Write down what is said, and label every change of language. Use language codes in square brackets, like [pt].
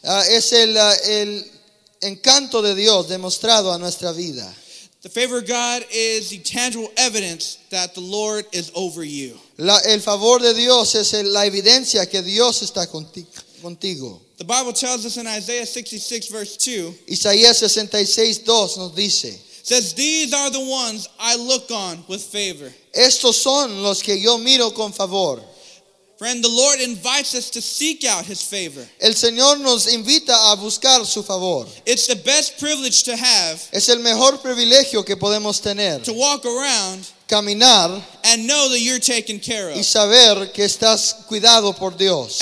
[es] Es el encanto de Dios demostrado a nuestra vida. [en] The favor of God is the tangible evidence that the Lord is over you. [es] El favor de Dios es la evidencia que Dios está contigo. [en] The Bible tells us in Isaiah 66 verse 2. [es] Isaías 66, 2 nos dice. [en] Says, "These are the ones I look on with favor." [es] Estos son los que yo miro con favor. [en] Friend, the Lord invites us to seek out His favor. [es] El Señor nos invita a buscar su favor. [en] It's the best privilege to have. [es] Es el mejor privilegio que podemos tener. [en] To walk around. [es] Caminar. [en] And know that you're taken care of. [es] Y saber que estás cuidado por Dios.